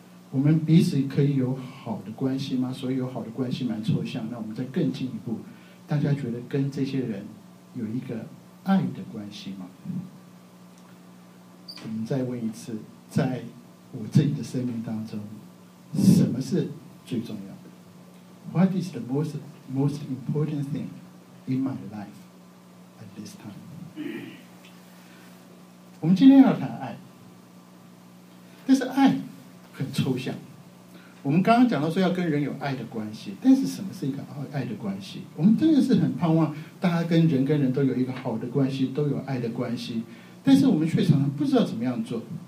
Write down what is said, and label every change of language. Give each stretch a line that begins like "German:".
Chinese: 我们彼此可以有好的关系吗？所以有好的关系蛮抽象，那我们再更进一步，大家觉得跟这些人有一个爱的关系吗？我们再问一次，在我自己的生命当中，什么是最重要的？
English: What is the most important thing in my life at this time?
Chinese: 我们今天要谈爱，但是爱很抽象。我们刚刚讲到说要跟人有爱的关系，但是什么是一个爱的关系？我们真的是很盼望大家跟人跟人都有一个好的关系，都有爱的关系，但是我们却常常不知道怎么样做。